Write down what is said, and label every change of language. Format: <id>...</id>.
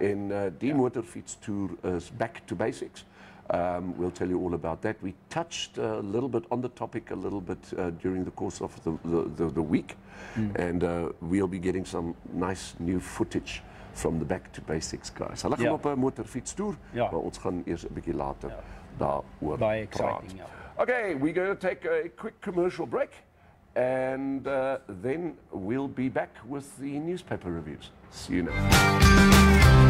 <af>En die motorfiets toer is</af> <en>back to basics. We'll tell you all about that. We touched a little bit on the topic a little bit during the course of the week. And we'll be getting some nice new footage from the back to basics guys.</en> <af>Hulle gaan op 'n motorfiets toer, maar ons gaan eers 'n bietjie later daaroor praat. Baie exciting,</af> <en>Okay, we're going to take a quick commercial break and then we'll be back with the newspaper reviews. See you next.</en>